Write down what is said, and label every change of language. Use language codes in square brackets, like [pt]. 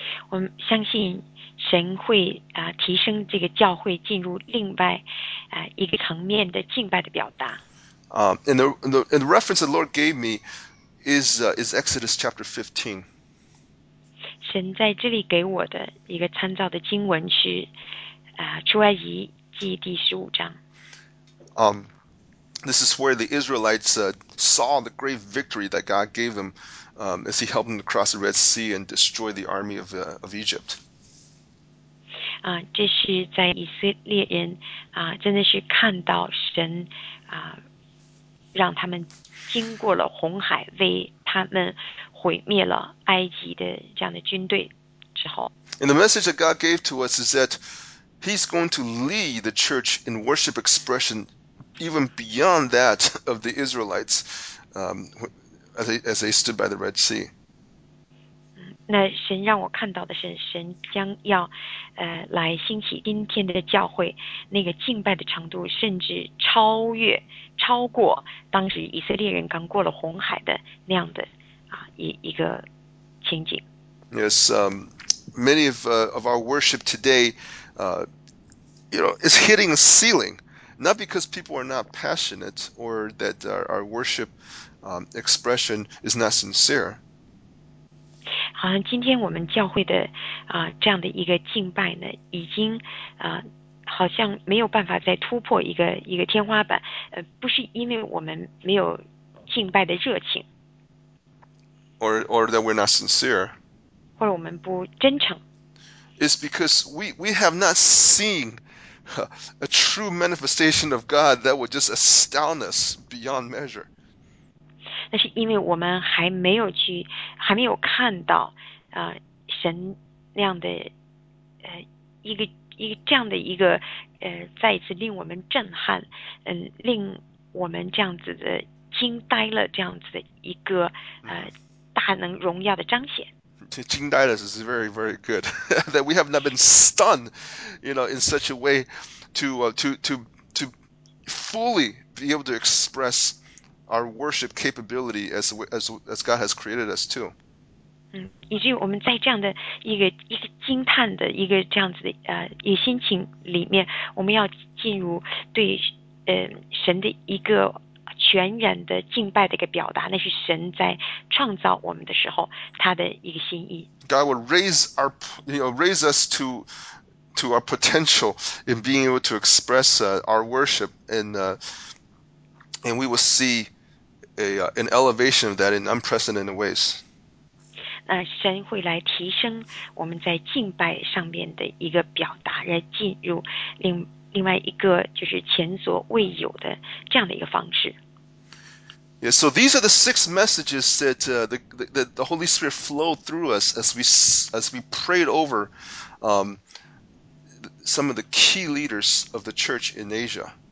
[zh] 我们相信神会提升这个教会进入另外一个层面的敬拜的表达。 [en] And the reference the Lord gave me is Exodus chapter 15. [zh] 神在这里给我的一个参照的经文是出埃及记第十五章。 [en] This is where the Israelites saw the great victory that God gave them as he helped them cross the Red Sea and destroy the army of Egypt. [zh] 这是在以色列人真的是看到神让他们经过了红海，为他们毁灭了埃及的这样的军队之后。 [en] And the message that God gave to us is that He's going to lead the church in worship expression even beyond that of the Israelites, as they stood by the Red Sea. [zh] 那神让我看到的是，神将要来兴起今天的教会，那个敬拜的程度甚至超越。超过当时以色列人刚过了红海的那样的一个情景。 [en] Yes, many of our worship today, is hitting a ceiling, not because people are not passionate or that our worship expression is not sincere. [zh] 好像今天我们教会的这样的一个敬拜呢，已经好像没有办法再突破一个天花板，不是因为我们没有敬拜的热情 [en] ，or that we're not sincere， [zh] 或者我们不真诚。 [en] It's because we have not seen A true manifestation of God that would just astound us beyond measure. [zh] 那是因为我们还没有去，还没有看到，神那样的，一个这样的一个，再一次令我们震撼，令我们这样子的惊呆了，这样子的一个，大能荣耀的彰显。 [en] Jing Dailas is very, very good. That we have not been stunned, in such a way to fully be able to express our worship capability as God has created us to. [zh] 以至于我们在这样的一个惊叹的一个这样子的一个心情里面，我们要进入对神的一个全然的敬拜的一个表达，那是神在创造我们的时候他的一个心意。 [en] God will raise our, raise us to our potential in being able to express our worship, and we will see an elevation of that in unprecedented ways. [zh] 神会来提升我们在敬拜上面的一个表达，来进入另外一个就是前所未有的这样的一个方式。 [en] Yeah, so these are the six messages that the Holy Spirit flowed through us as we prayed over some of the key leaders of the church in Asia.